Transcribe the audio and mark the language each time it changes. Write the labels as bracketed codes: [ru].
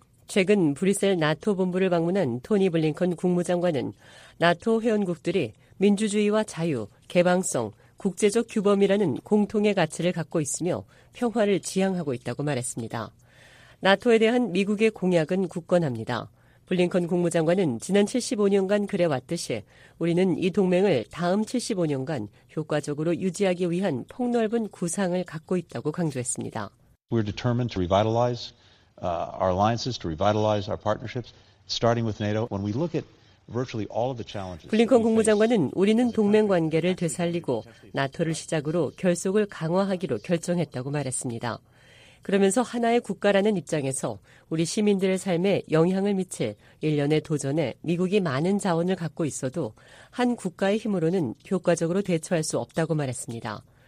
[ko] 최근 브뤼셀 나토 본부를 방문한 토니 블링컨 국무장관은 나토 회원국들이 민주주의와 자유, 개방성, 국제적 규범이라는 공통의 가치를 갖고 있으며 평화를 지향하고 있다고 말했습니다. 나토에 대한 미국의 공약은 굳건합니다. 블링컨 국무장관은 지난 75년간 그래왔듯이 우리는 이 동맹을 다음 75년간 효과적으로 유지하기 위한 폭넓은 구상을 갖고 있다고 강조했습니다. [en] We're determined to revitalize our alliances, to revitalize our partnerships, starting with NATO. When we look at [ko] 블링컨 국무장관은 우리는 동맹 관계를 되살리고 나토를 시작으로 결속을 강화하기로 결정했다고 말했습니다. 그러면서 하나의 국가라는 입장에서 우리 시민들의 삶에 영향을 미칠 일련의 도전에 미국이 많은 자원을 갖고 있어도 한 국가의 힘으로는 효과적으로 대처할 수 없다고 말했습니다.